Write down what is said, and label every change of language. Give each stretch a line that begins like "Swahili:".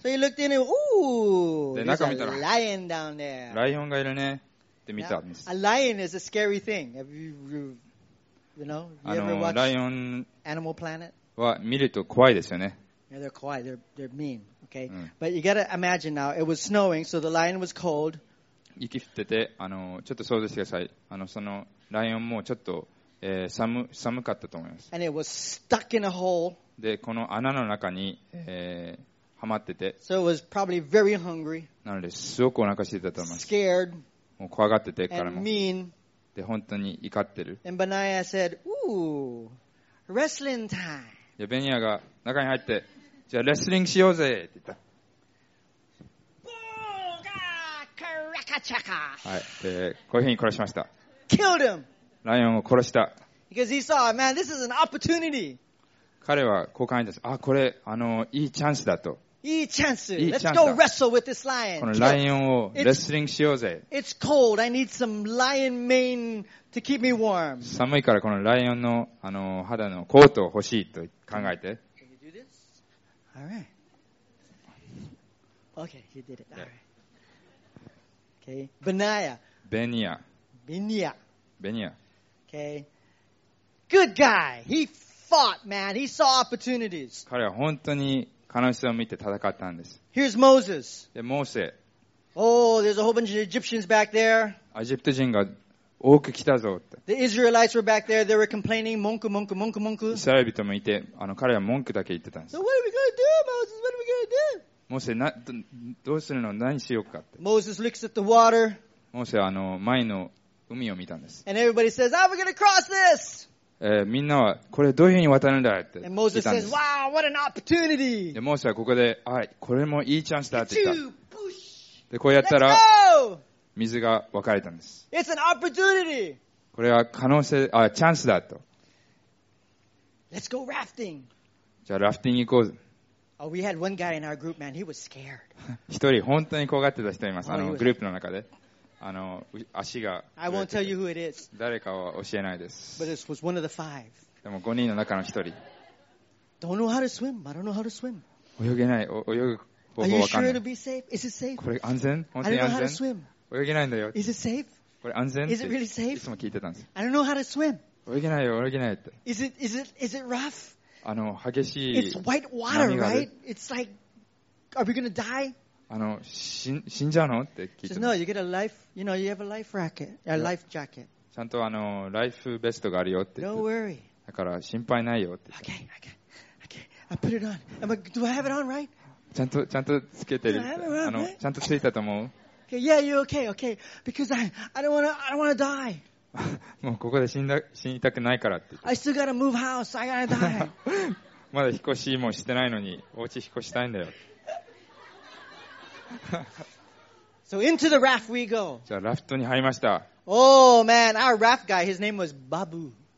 English: So he looked in and, ooh,
Japanese: で、中見たら、
English: lion down there.
Japanese: ライオンがいるねって見たんです。
English: A lion is a scary thing. Have you know?
Japanese: ライオン
English: Animal Planet?
Japanese: は見ると怖いですよね。
English: Yeah, they're
Japanese: 怖い。
English: They're mean. Okay?、うん、But you gotta imagine now, it was snowing, so the lion was cold.
Japanese: 雪降ってて、ちょっと想像してください。そのライオンもちょっと、寒かったと思います。
English: And it was stuck in a hole.
Japanese: でこの穴の中に、はまってて、
English: so、it was probably very hungry,
Japanese: なのですごくお腹空いてたと思います。
English: Scared,
Japanese: もう怖がってて彼も
English: and mean,
Japanese: で本当に怒ってる。
English: And Benaiah said, "Ooh, wrestling time."
Japanese: でベニヤが中に入ってじゃあレスリングしようぜって言った。ボーガーカラカチャカ。はい、でこういうふうに殺しました。
English: Killed him.
Japanese: ライオンを殺した。
English: Because he saw, man, this is an opportunity.
Japanese: 彼はこう考えたんです。あ、これ、いいチャンスだと。いいチャンス。いいチャンス。
English: Let's go wrestle with this lion.
Japanese: このライオンをレスリングしようぜ。
English: It's cold. I need some lion mane to keep me warm.
Japanese: 寒いからこのライオンの、肌のコートを欲しいと考えて。
English: Can you do this? All right. Okay, you did it. All right. Okay. Benaiah. Benaiah. Benaiah. Benaiah. Okay. Good guy. He fought, man. He saw opportunities.
Japanese: 彼は本当に可能性を見て戦ったんです。
English: Here's Moses.
Japanese: で、モーセ。
English: Oh, there's a whole bunch of Egyptians back there.
Japanese: エジプト人が多く来たぞって。
English: The Israelites were back there. They were complaining, 文句。
Japanese: イスラエル人もいて、彼は文句だけ言ってたんです。
English: So what are we gonna do, Moses? What are we gonna do?
Japanese: モーセ、どうするの？何しようかって。
English: Moses looks at the water.
Japanese: モーセは前の海を見たんです。
English: And everybody says, "How are we gonna cross this?"
Japanese: みんなはこれどういうふうに渡るんだって言ったんです。
English: And Moses says, "Wow, what an opportunity!"
Japanese: で、モーセはここで、はい、これもいいチャンスだって言った。で、こうやったら、水が分かれたんです。
English: It's an opportunity!
Japanese: これは可能性、あ、チャンスだと。
English: Let's go rafting!
Japanese: じゃあ、ラフティング行こう。
English: Oh, we had one guy in our group, man. He was scared.
Japanese: 一人、本当に怖がってた人います。グループの中で。足が
English: I won't tell you who it is.
Japanese: 誰かは教えないです。
English: But this was one of the five.
Japanese: でも5人の中の一人。
English: Don't know how to swim. I don't know how to swim.
Japanese: 泳げない。泳ぐ方法わかんない。
English: Are you sure it'll be safe? Is it safe?
Japanese: これ安全？本当に安全？
English: I don't know how to swim.
Japanese: 泳げないんだよ。
English: Is it safe?
Japanese: これ安全って、
English: really、
Japanese: いつも聞いてたんです。
English: I don't know how to swim.
Japanese: 泳げないよ、泳げないって。
English: Is it rough?
Japanese: あの、激しい波がある。
English: It's white water, right? It's like, are we gonna die?
Japanese: あの、死んじゃうのって聞いてます。
English: No, you get a life, you know, you have a life racket, a life jacket.
Japanese: ちゃんとあの、ライフベストがあるよって。
English: No worry.
Japanese: だから心配ないよって。
English: Okay. I put it on. Do I have it on, right?
Japanese: ちゃんとつけてる。あの、ちゃんとついたと思う
English: Okay, yeah, you're okay. Because I don't wanna die.
Japanese: もうここで死にたくないからって。
English: I still gotta move house, I gotta die.
Japanese: まだ引っ越しもしてないのに、お家引っ越したいんだよ。
English: So into the raft we go.
Japanese: じゃあラフトに入りました。
English: Oh man, our raft guy, his name was Babu.